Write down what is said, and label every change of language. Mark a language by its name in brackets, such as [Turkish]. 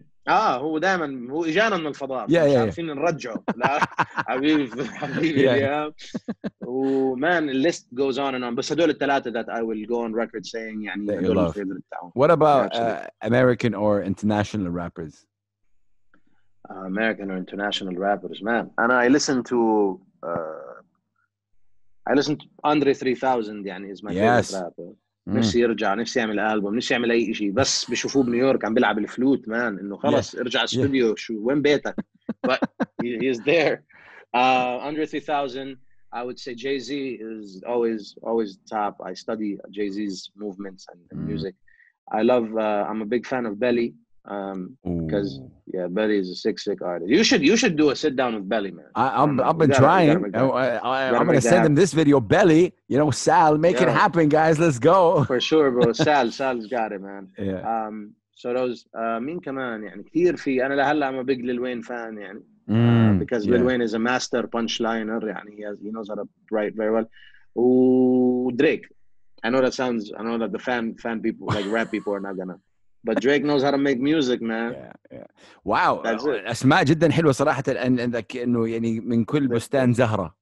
[Arabic] هو دائما هو إجانا من الفضاء عارفين نرجعه لا حبيبي ومان الليست [English] goes on and on [Arabic] بس هدول الثلاثة [English] that I will go on record saying [Arabic] يعني [English] that you love what about American or international rappers American or international rappers man and I listen to I listened to Andre 3000 يعني is my yes. favorite rapper. [Arabic] نفسي يرجع نفسي يعمل ألبوم نفسي يعمل أي شيء بس بشوفوه بنيويورك عم بلعب الفلوت مان إنه خلاص yes. ارجع استوديو yes. شو وين بيتك [English] but he is there Andre 3000 I would say Jay-Z is always top I study Jay-Z's movements and music I love I'm a big fan of Belly because yeah Belly is a sick artist you should do a sit down with Belly man I'm gonna send him this video Belly you know Sal make yeah. it happen guys let's go for sure bro Sal's got it man yeah. So those mean [Arabic] كمان يعني كثير في انا لهلا [English] I'm a big Lil Wayne fan يعني because yeah. Lil Wayne is a master punchliner يعني he knows how to write very well Drake I know that the fan people like rap people are not gonna But Drake knows how to make music, man. Yeah. Wow. That's it. [Arabic] أسماء جدا حلوة صراحة عندك إنه يعني من كل بستان زهرة.